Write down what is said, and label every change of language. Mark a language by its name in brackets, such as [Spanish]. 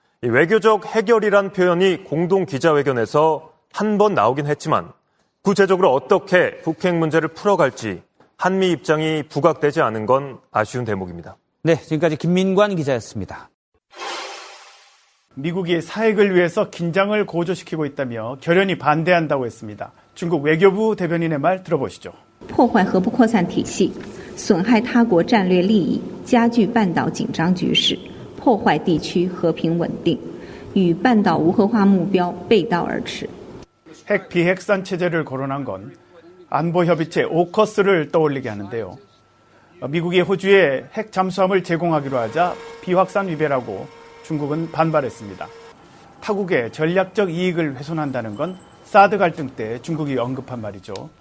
[Korean] 이 외교적 해결이란 표현이 공동 기자회견에서 한 번 나오긴 했지만 구체적으로 어떻게 북핵 문제를 풀어갈지 한미 입장이 부각되지 않은 건 아쉬운 대목입니다. 네, 지금까지 김민관 기자였습니다. 미국이 사핵을 위해서 긴장을 고조시키고 있다며 결연히 반대한다고 했습니다. 중국 외교부 대변인의 말 들어보시죠. [Chinese] 破坏核不扩散体系, 损害他国战略利益, 加剧半岛紧张局势, 破坏地区和平稳定, 与半岛无核化目标背道而驰. [Korean] 핵 비핵산 체제를 거론한 건 안보협의체 오커스를 떠올리게 하는데요. 미국이 호주에 핵 잠수함을 제공하기로 하자 비확산 위배라고 중국은 반발했습니다. 타국의 전략적 이익을 훼손한다는 건 사드 갈등 때 중국이 언급한 말이죠.